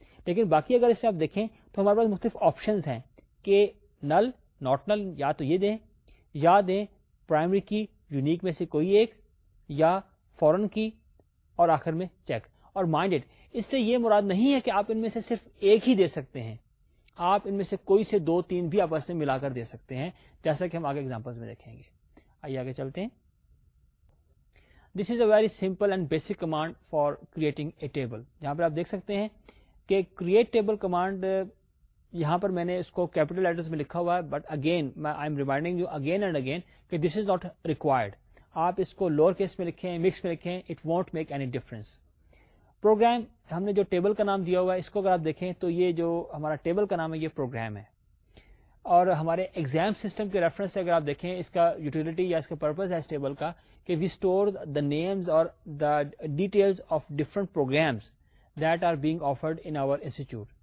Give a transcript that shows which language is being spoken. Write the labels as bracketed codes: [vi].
[ur] لیکن باقی اگر اس میں آپ دیکھیں تو ہمارے پاس مختلف آپشنز ہیں کہ نل ناٹ نل یا تو یہ دیں یا دیں پرائمری کی یونیک میں سے کوئی ایک یا فورن کی اور آخر میں چیک. اور مائنڈ اٹ اس سے یہ مراد نہیں ہے کہ آپ ان میں سے صرف ایک ہی دے سکتے ہیں. آپ ان میں سے کوئی سے دو تین بھی آپس میں ملا کر دے سکتے ہیں جیسا کہ ہم آگے ایگزامپلز میں دیکھیں گے. آئیے آگے چلتے ہیں. [en] This is a very simple and basic command for creating a table. [ur] یہاں پر آپ دیکھ سکتے ہیں کہ کریٹ ٹیبل کمانڈ, یہاں پر میں نے اس کو کیپیٹل لیٹرز میں لکھا ہوا ہے, [en] but again I am reminding you again and again [ur] کہ [en] This is not required. [ur] آپ اس کو لوور کیس میں لکھیں, مکس میں لکھیں, [en] It won't make any difference. [ur] Programme ہم نے جو ٹیبل کا نام دیا ہوا ہے اس کو اگر آپ دیکھیں تو یہ جو ہمارا ٹیبل کا نام ہے یہ پروگرام ہے, اور ہمارے ایگزام سسٹم کے ریفرنس سے اگر آپ دیکھیں اس کا یوٹیلیٹی یا اس کا پرپز ہے اس ٹیبل کا کہ [en] We store the names اور the details of different programmes that are being offered in our institute.